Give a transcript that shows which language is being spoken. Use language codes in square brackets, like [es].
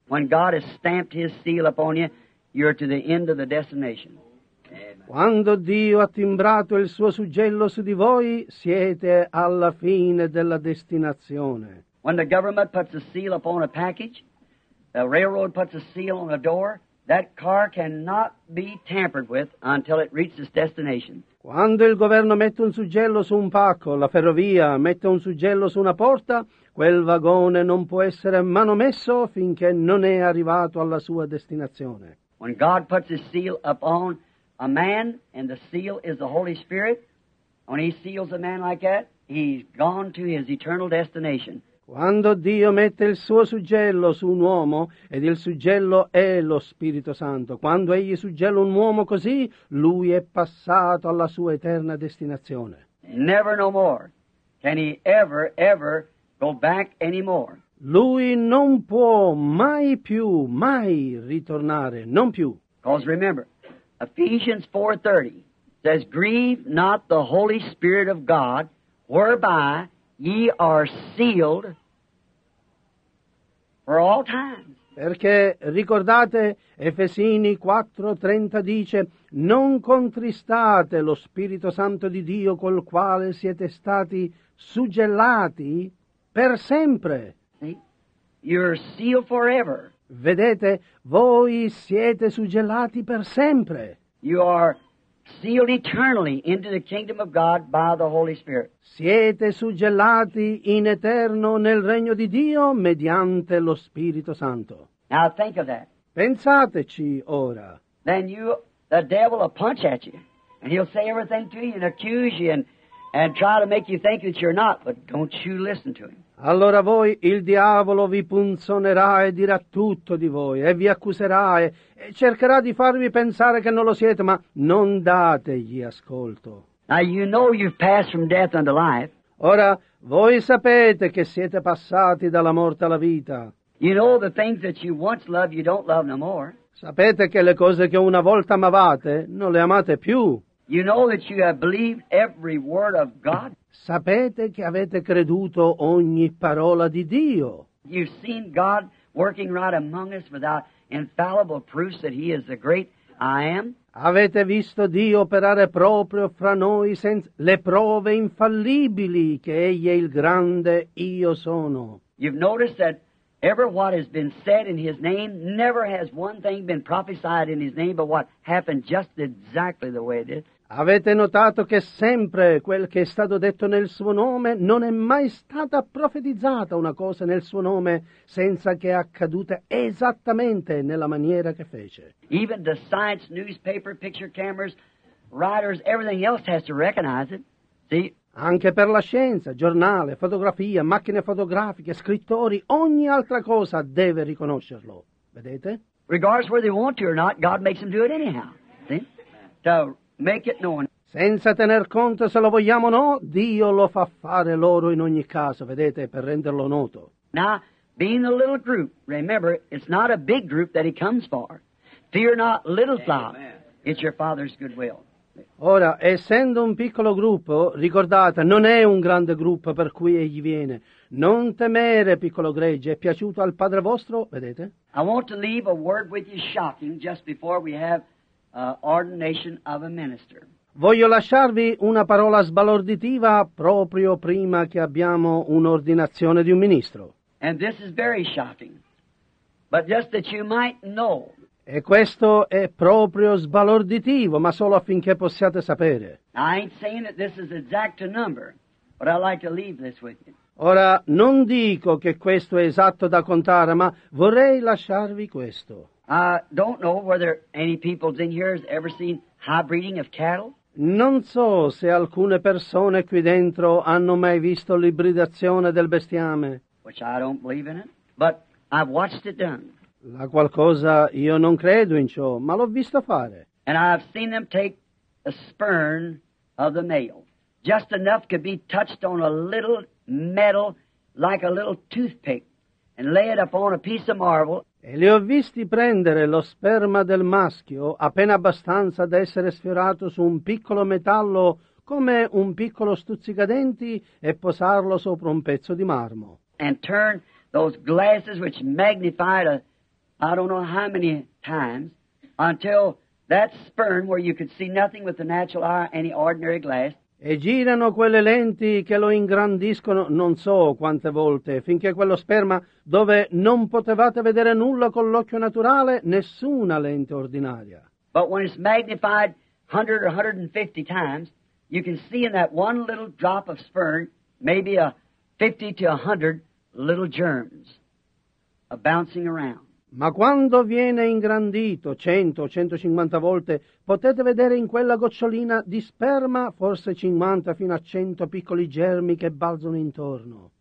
[en] When God has stamped his seal upon you, you're to the end of the destination. [it] Quando Dio ha timbrato il suo suggello su di voi, siete alla fine della destinazione. [en] When the government puts a seal upon a package, the railroad puts a seal on a door, that car cannot be tampered with until it reaches its destination. [it] Quando il governo mette un suggello su un pacco, la ferrovia mette un suggello su una porta, quel vagone non può essere manomesso finché non è arrivato alla sua destinazione. [en] When God puts his seal upon a man, and the seal is the Holy Spirit, when he seals a man like that, he's gone to his eternal destination. [it] Quando Dio mette il suo suggello su un uomo, ed il suggello è lo Spirito Santo, quando egli suggella un uomo così, lui è passato alla sua eterna destinazione. [en] Never no more Can he ever, ever go back anymore? [it] Lui non può mai più, mai ritornare, non più. [en] Because remember, Ephesians 4:30 says, "Grieve not the Holy Spirit of God, whereby ye are sealed for all times." [it] Perché ricordate, Efesini 4:30 dice, "Non contristate lo Spirito Santo di Dio col quale siete stati suggellati per sempre." [en] You're sealed forever. [it] Vedete, voi siete suggellati per sempre. [en] You are sealed eternally into the kingdom of God by the Holy Spirit. [it] Siete suggellati in eterno nel regno di Dio mediante lo Spirito Santo. [en] Now think of that. [it] Pensateci ora. [en] Then you, the devil will punch at you, and he'll say everything to you and accuse you and try to make you think that you're not, but don't you listen to him. [it] Allora voi, il diavolo vi punzonerà e dirà tutto di voi, e vi accuserà, e cercherà di farvi pensare che non lo siete, ma non dategli ascolto. [en] Now you know you've passed from death unto life. [it] Ora, voi sapete che siete passati dalla morte alla vita. [en] You know the things that you once loved, you don't love no more. [it] Sapete che le cose che una volta amavate, non le amate più. [en] You know that you have believed every word of God. [it] Sapete che avete creduto ogni parola di Dio. [en] You've seen God working right among us without infallible proofs that He is the great I am. [it] Avete visto Dio operare proprio fra noi senza le prove infallibili che Egli è il grande Io sono. [en] You've noticed that ever what has been said in His name, never has one thing been prophesied in His name, but what happened just exactly the way it did. [it] Avete notato che sempre quel che è stato detto nel suo nome non è mai stata profetizzata una cosa nel suo nome senza che accaduta esattamente nella maniera che fece. [en] Even the science, newspaper, picture cameras, writers, everything else has to recognize it. See? [it] Anche per la scienza, giornale, fotografia, macchine fotografiche, scrittori, ogni altra cosa deve riconoscerlo. Vedete? [en] Regardless whether they want to or not, God makes them do it anyhow. See? So, make it known. [it] Senza tener conto se lo vogliamo o no, Dio lo fa fare loro in ogni caso, vedete, per renderlo noto. [en] Now, being a little group, remember, it's not a big group that he comes for. Fear not, little flock. It's your Father's good will. [it] Ora, essendo un piccolo gruppo, ricordate, non è un grande gruppo per cui egli viene. Non temere, piccolo gregge, è piaciuto al Padre vostro, vedete? [en] I want to leave a word with you shocking just before we have ordination of a minister. [it] Voglio lasciarvi una parola sbalorditiva proprio prima che abbiamo un'ordinazione di un ministro. [en] And this is very shocking. But just that you might know. [it] E questo è proprio sbalorditivo, ma solo affinché possiate sapere. [en] I ain't saying that this is exact a number, but I'd like to leave this with you. [it] Ora, non dico che questo è esatto da contare, ma vorrei lasciarvi questo. [en] I don't know whether any people in here has ever seen high breeding of cattle. [it] Non so se alcune persone qui dentro hanno mai visto l'ibridazione del bestiame. [en] Which I don't believe in it, but I've watched it done. [it] La qualcosa io non credo in ciò, ma l'ho visto fare. [en] And I've seen them take a spurn of the male. Just enough could be touched on a little metal like a little toothpick and lay it upon a piece of marble. [it] E li ho visti prendere lo sperma del maschio appena abbastanza da essere sfiorato su un piccolo metallo come un piccolo stuzzicadenti e posarlo sopra un pezzo di marmo. [en] And turn those glasses which magnified I don't know how many times until that sperm where you could see nothing with the natural eye, any ordinary glass. [it] E girano quelle lenti che lo ingrandiscono non so quante volte, finché quello sperma dove non potevate vedere nulla con l'occhio naturale, nessuna lente ordinaria. [en] But when it's magnified 100 or 150 times, you can see in that one little drop of sperm maybe a 50 to 100 little germs bouncing around. [it] Ma quando viene ingrandito 100 o 150 volte, potete vedere in quella gocciolina di sperma forse 50 fino a 100 piccoli germi che balzano intorno.